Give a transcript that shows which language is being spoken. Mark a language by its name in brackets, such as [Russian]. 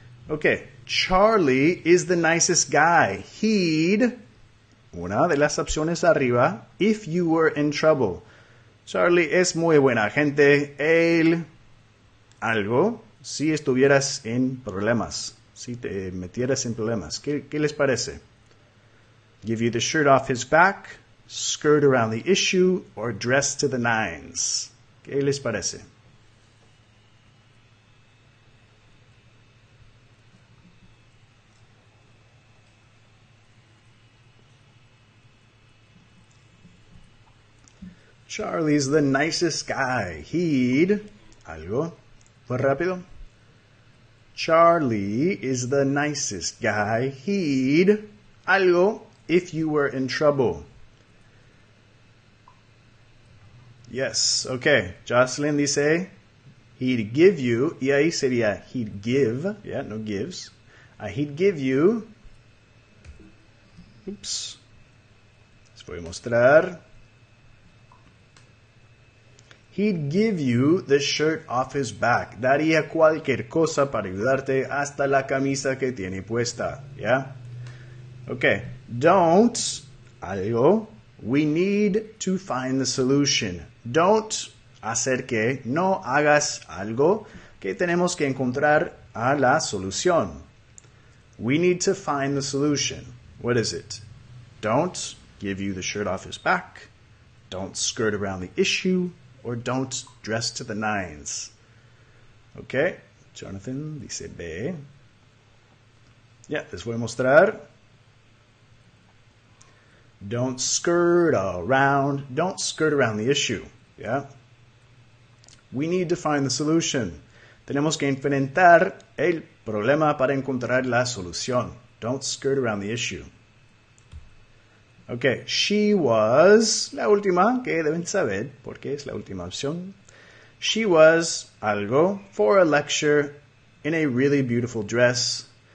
[English] Ok, Charlie is the nicest guy. He'd. [Spanish] Una de las opciones arriba, [English] if you were in trouble. [Spanish] Charlie es muy buena gente. Él. Algo si estuvieras en problemas, si te metieras en problemas. ¿Qué les parece? [English] Give you the shirt off his back, skirt around the issue, or dress to the nines. [Spanish] ¿Qué les parece? [English] Charlie's the nicest guy. He'd. [Spanish] Algo. Fue rápido. [English] Charlie is the nicest guy. He'd algo if you were in trouble. Yes, okay. [Spanish] Jocelyn dice, [English] he'd give you, [Spanish] y ahí sería, [English] he'd give, yeah, no gives. He'd give you. Oops. [Spanish] Les voy a mostrar. [English] He'd give you the shirt off his back. [Spanish] Daría cualquier cosa para ayudarte hasta la camisa que tiene puesta. ¿Ya? Ok. Don't. Algo. [English] We need to find the solution. Don't. [Spanish] Hacer que. No hagas algo que tenemos que encontrar a la solución. [English] We need to find the solution. What is it? Don't give you the shirt off his back. Don't skirt around the issue. Or don't dress to the nines. [Spanish] Ok, Jonathan dice B. Ya, yeah, les voy a mostrar. [English] Don't skirt around the issue. Yeah. We need to find the solution. [Spanish] Tenemos que enfrentar el problema para encontrar la solución. [English] Don't skirt around the issue. Okay, she was [Spanish] la última que deben saber porque es la última opción. [English] She was algo for a lecture in a really beautiful dress.